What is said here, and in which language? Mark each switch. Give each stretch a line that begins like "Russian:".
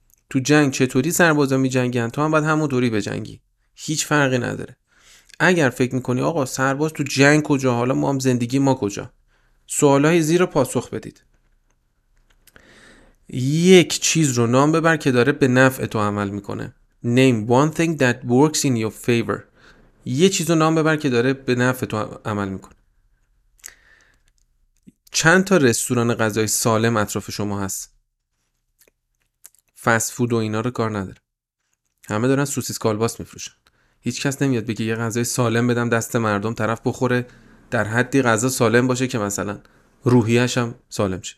Persian: تو جنگ چطوری سربازا می جنگن، تو هم باید همون طوری به جنگی، هیچ فرقی نداره. اگر فکر میکنی آقا سرباز تو جنگ کجا، حالا ما هم زندگی ما کجا، سوالای زیر پاسخ بدید. یک چیز رو نام ببر که داره به نفع تو عمل میکنه.
English: Name one thing that works in your favor.
Persian: یه چیز رو نام ببر که داره به نفع تو عمل میکنه. چند تا رستوران غذای سالم اطراف شما هست؟ فست فود و اینا رو کار نداره، همه دارن سوسیس کالباس میفروشن. هیچ کس نمیاد بگه یه غذای سالم بدم دست مردم، طرف بخوره، در حدی غذا سالم باشه که مثلا روحیه‌اش هم سالم شه.